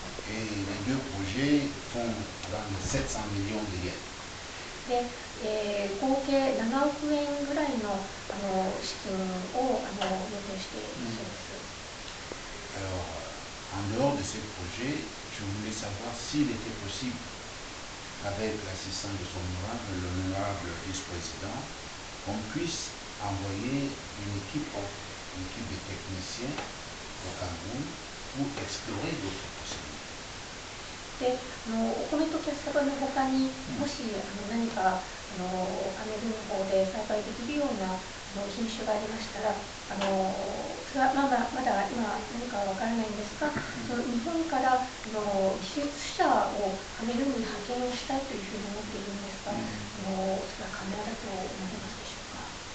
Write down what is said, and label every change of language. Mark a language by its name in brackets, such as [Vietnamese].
[French] Et les deux projets font environ 700 millions de yens. [Japanese] 合計7億円ぐらいの資金を予定しているそうです。 [French] Alors, en dehors de ce projet, je voulais savoir s'il était possible, avec l'assistance de son honorable, l'honorable vice-président, qu'on puisse envoyer une équipe de techniciens au Cameroun pour explorer d'autres possibilités. [Japanese] でお米とキャッサバの他にもし何かカメルーンの方で栽培できるような品種がありましたら、それはまだ今何かわからないんですが、その日本から技術者をカメルーンに派遣をしたいというふうに思っているんですが、それは可能だと思いますでしょうか。